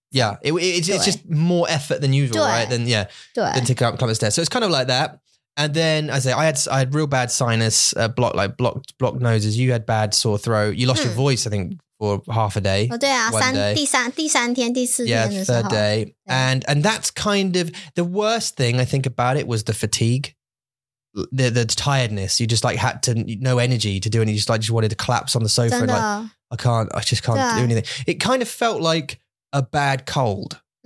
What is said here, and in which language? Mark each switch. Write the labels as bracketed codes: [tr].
[en] Yeah, it's just more effort than usual, right? Than, yeah, [zh] 对, [en] than to come up the stairs. So it's kind of like that. And then, as I say, I had real bad sinus, blocked noses. You had bad sore throat. You lost your voice, I think. For half a day. [zh] Oh, 对啊，第三天、第四天的时候。 [en] Yeah, third day. And that's kind of the worst thing I think about it was the fatigue, the tiredness. You just like had to, no energy to do anything. You just like just wanted to collapse on the sofa. [zh] 真的, [en] and like, I just can't do anything. It kind of felt like a bad cold.